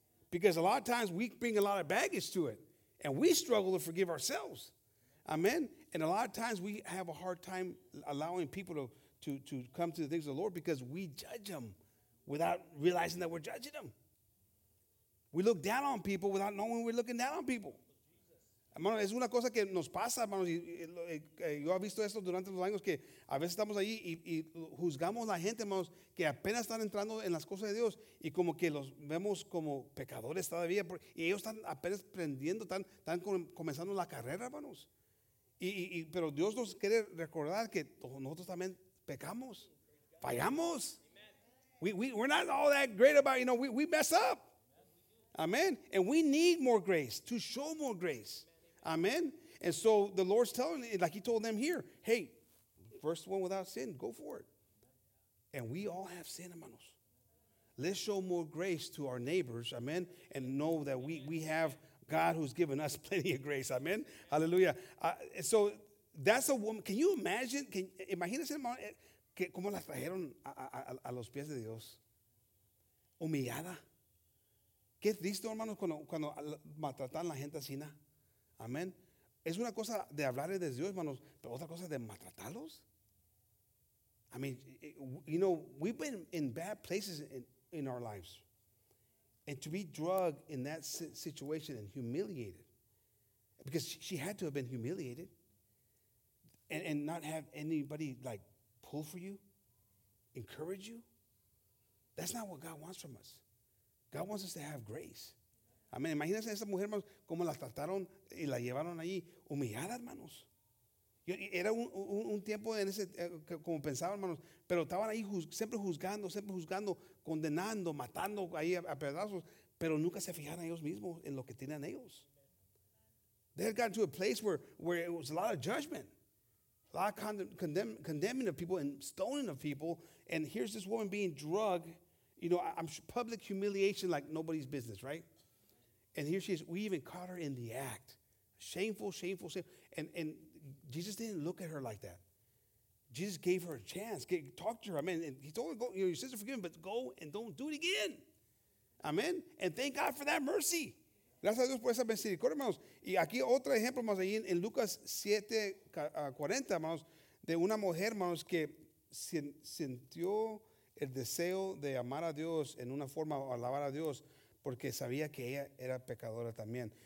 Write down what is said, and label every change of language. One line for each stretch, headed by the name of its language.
English: Because a lot of times we bring a lot of baggage to it, and we struggle to forgive ourselves. Amen? And a lot of times we have a hard time allowing people to come to the things of the Lord because we judge them without realizing that we're judging them. We look down on people without knowing we're looking down on people.
Spanish: Hermano, es una cosa que nos pasa, hermano. Yo he visto esto durante los años que a veces estamos ahí y juzgamos a la gente, hermano, que apenas están entrando en las cosas de Dios y como que los vemos como pecadores todavía. Y ellos están apenas prendiendo, están comenzando la carrera, hermanos. Pero Dios nos quiere recordar que nosotros también pecamos, fallamos.
English: We're not all that great about, we mess up. Amen. And we need more grace, to show more grace. Amen. And so the Lord's telling, like he told them here, hey, first one without sin, go for it. And we all have sin, hermanos. Let's show more grace to our neighbors, amen, and know that we have God who's given us plenty of grace, amen. Hallelujah. So that's a woman. Can you imagine?
Spanish: Can imagínese, hermano, que cómo la trajeron a los pies de Dios. Humillada. Qué triste, hermanos, cuando maltratan a la gente así, ¿no? Amén. Es una cosa de hablarle de Dios, hermanos, pero otra cosa de maltratarlos.
English: I mean, we've been in bad places in our lives. And to be drugged in that situation and humiliated, because she had to have been humiliated and not have anybody, like, pull for you, encourage you. That's not what God wants from us. God wants us to have grace. Amén.
Spanish: Imagínense a esa mujer, hermanos, cómo la trataron y la llevaron allí humillada, hermanos. Era un tiempo en ese, como pensaba, hermanos, pero estaban ahí siempre juzgando, condenando, matando ahí a pedazos, pero nunca se fijaron ellos mismos en lo que tenían ellos.
English: They had gotten to a place where it was a lot of judgment, a lot of condemning of people and stoning of people, and here's this woman being drugged, I'm sure public humiliation like nobody's business, right? And here she is. We even caught her in the act. Shameful, shameful, shameful. And Jesus didn't look at her like that. Jesus gave her a chance. Talked to her. I mean, and he told her, go, your sins are forgiven, but go and don't do it again. Amen. And thank God for that mercy.
Spanish: Gracias a Dios por esa misericordia, hermanos. Y aquí otro ejemplo, hermanos, ahí en Lucas 7, 40, hermanos, de una mujer, hermanos, que sintió el deseo de amar a Dios en una forma, alabar a Dios, porque sabía que ella era pecadora también.